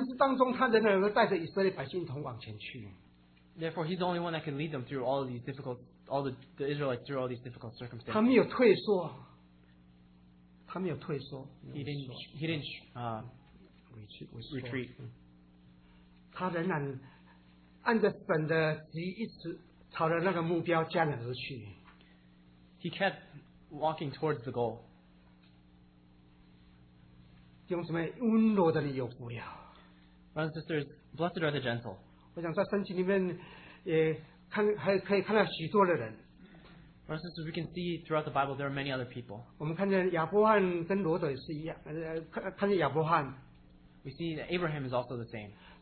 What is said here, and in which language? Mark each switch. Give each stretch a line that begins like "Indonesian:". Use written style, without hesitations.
Chinese: 所以即使他在那个很不容易环境之当中，他仍然能够带着以色列百姓一同往前去。
English: Therefore, he's the only one that can lead them through all of these difficult, all the Israelites through all these difficult circumstances.
Chinese: 他没有退缩。
English: He didn't retreat.
Chinese: 他仍然按着神的旨意，一直朝着那个目标迦南而去。
English: He kept walking towards the goal.
Chinese: 弟兄姊妹，温柔的人有福了。
English: Brothers and sisters, blessed are the gentle.
Chinese: 我想在圣经里面。也看还可以看到许多的人。
English: For instance, we can see throughout the Bible there are many other people.
Chinese: 我们看见亚伯翰跟罗德也是一样，看见亚伯翰。
English: We see that Abraham is also the same.